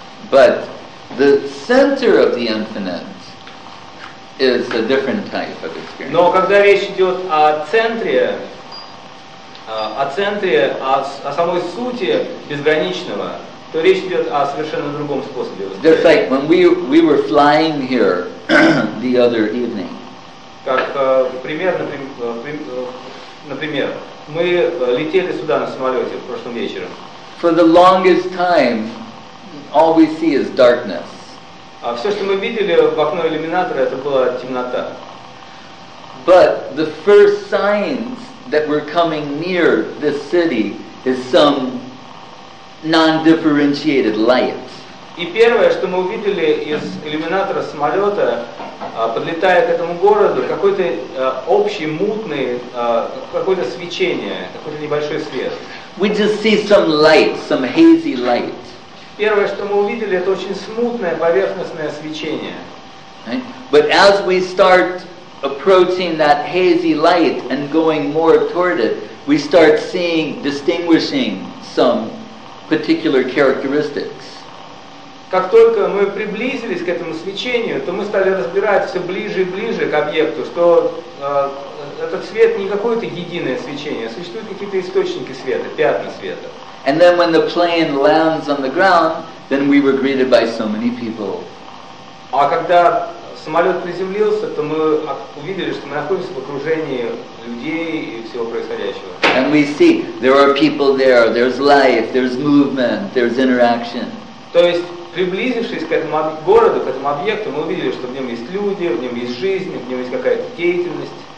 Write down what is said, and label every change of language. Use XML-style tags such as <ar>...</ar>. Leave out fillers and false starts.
<en>But the center of the Infinite is a different type of experience.</en> <ru>Но когда речь идет о центре, о самой сути безграничного, то речь идет о совершенно другом способе.</ru> <en>Just like when we were flying here the other evening.</en> <ru>Как например, мы летели сюда на самолете прошлым вечером.</ru> <en>For the longest time, all we see is darkness.</en> <ru>А все, что мы видели в окно иллюминатора, это была темнота.</ru> <en>But the first signs that we're coming near this city is some non-differentiated light.</en> <ru>И первое, что мы увидели из иллюминатора самолета, подлетая к этому городу, какой-то общий мутный, какое-то свечение, какой-то небольшой свет.</ru> <en>We just see some light, some hazy light.</en> <ru>Первое, что мы увидели, это очень смутное поверхностное свечение.</ru> <en>But as we start approaching that hazy light and going more toward it, we start seeing, distinguishing some particular characteristics.</en> <ru>как только мы приблизились к этому свечению, то мы стали разбирать все ближе и ближе к объекту, что этот свет не какое-то единое свечение, а существуют какие-то источники света, пятна света.</ru> <en>And then when the plane lands on the ground, then we were greeted by so many people.</en> <ru>А когда самолет приземлился, то мы увидели, что мы находимся в окружении людей и всего происходящего.</ru> <en>And we see there are people there, there's life, there's movement, there's interaction.</en> <ru>То есть, приблизившись к этому городу, к этому объекту, мы увидели, что в нем есть люди, в нем есть жизнь, в нем есть какая-то деятельность.</ru>